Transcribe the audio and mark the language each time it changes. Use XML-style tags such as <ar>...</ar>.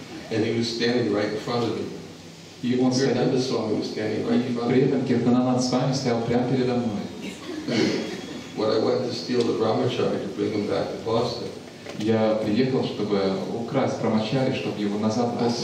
<en>And he was standing right in front of me.</en> <ru>И он стоял перед мной. При этом Киртананад Свами стоял прямо передо мной.</ru> <en>When I went to steal the brahmachari to bring him back to Boston.</en> <ru>Я приехал, чтобы украсть брамачари, чтобы его назад</ru>